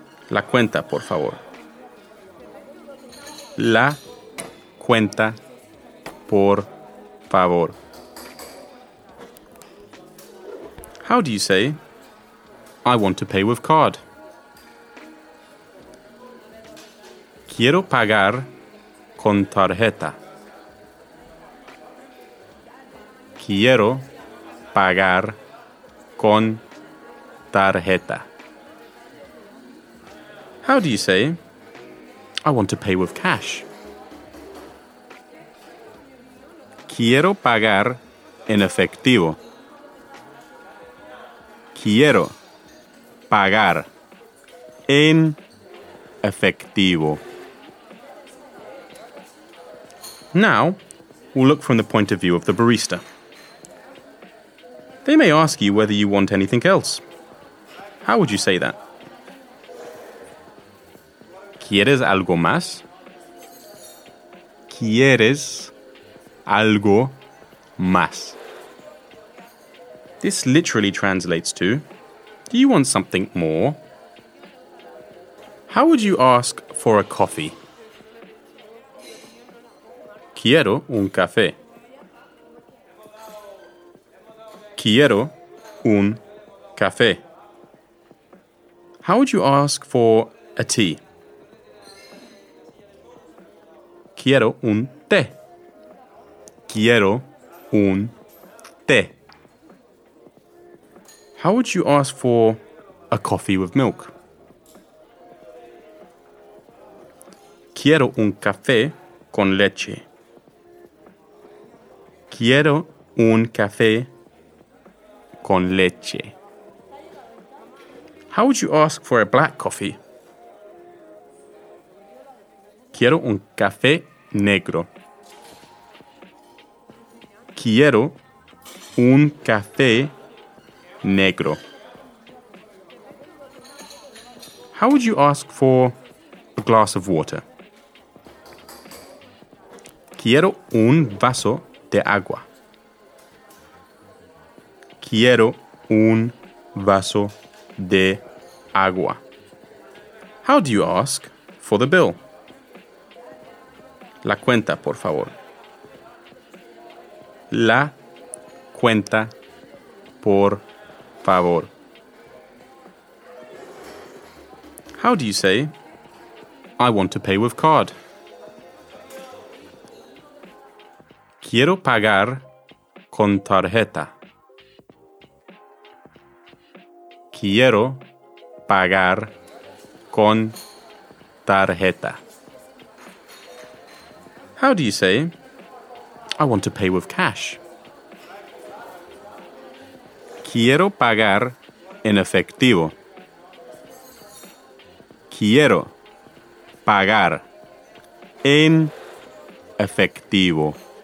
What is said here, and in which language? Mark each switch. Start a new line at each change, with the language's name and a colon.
Spanish: La cuenta, por favor. La cuenta, por favor.
English: How do you say, I want to pay with card?
Spanish: Quiero pagar con tarjeta. Quiero pagar con tarjeta.
English: How do you say, I want to pay with cash?
Spanish: Quiero pagar en efectivo. Quiero pagar en efectivo.
English: Now, we'll look from the point of view of the barista. They may ask you whether you want anything else. How would you say that?
Spanish: ¿Quieres algo más? ¿Quieres algo más?
English: This literally translates to, do you want something more? How would you ask for a coffee?
Spanish: Quiero un café. Quiero un café.
English: How would you ask for a tea?
Spanish: Quiero un té. Quiero un té.
English: How would you ask for a coffee with milk?
Spanish: Quiero un café con leche. Quiero un café con leche.
English: How would you ask for a black coffee?
Spanish: Quiero un café negro. Quiero un café negro.
English: How would you ask for a glass of water?
Spanish: Quiero un vaso de agua. Quiero un vaso de agua.
English: How do you ask for the bill?
Spanish: La cuenta, por favor. La cuenta, por favor.
English: How do you say, I want to pay with card?
Spanish: Quiero pagar con tarjeta. Quiero pagar con tarjeta.
English: How do you say, I want to pay with cash?
Spanish: Quiero pagar en efectivo. Quiero pagar en efectivo.